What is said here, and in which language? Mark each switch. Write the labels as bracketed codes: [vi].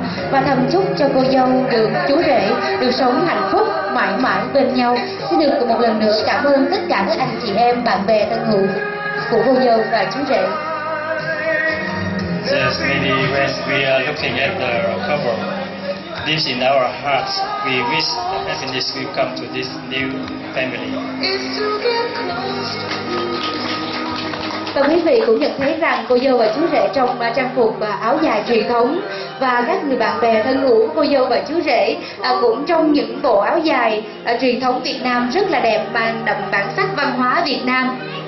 [vi] Và thầm chúc cho cô dâu được chú rể được sống hạnh phúc mãi mãi bên nhau. Xin được một lần nữa cảm ơn tất cả các anh chị em bạn bè thân hữu của cô dâu và chú rể. [en] Yes, maybe when we are looking at the cover, deep in our hearts, we wish happiness will come to this new family. [vi] Và quý vị cũng nhận thấy rằng cô dâu và chú rể trong trang phục và áo dài truyền thống và các người bạn bè thân hữu của cô dâu và chú rể cũng trong những bộ áo dài truyền thống Việt Nam rất là đẹp, mang đậm bản sắc văn hóa Việt Nam.